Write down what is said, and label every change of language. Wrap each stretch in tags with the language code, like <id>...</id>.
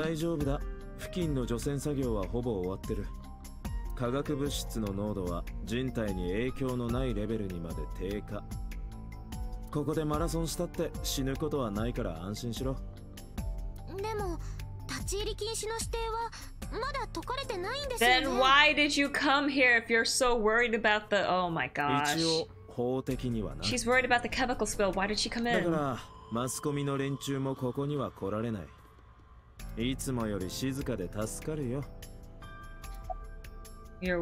<ja>大丈夫だ。付近の除染作業はほぼ終わってる。化学物質の濃度は人体に影響のないレベルにまで低下。ここでマラソンしたって死ぬことはないから安心しろ。でも立ち入り禁止の指定はまだ解かれてないんですよね。</ja> <en>Then why did you come here if you're so worried about the... Oh my gosh.</en> <ja>一応法的にはな。</ja> <en>She's worried about the chemical spill. Why did she come in?</en> <ja>マスコミの連中もここには来られない。いつもより静かで助かるよ。</ja> <en>You're</en>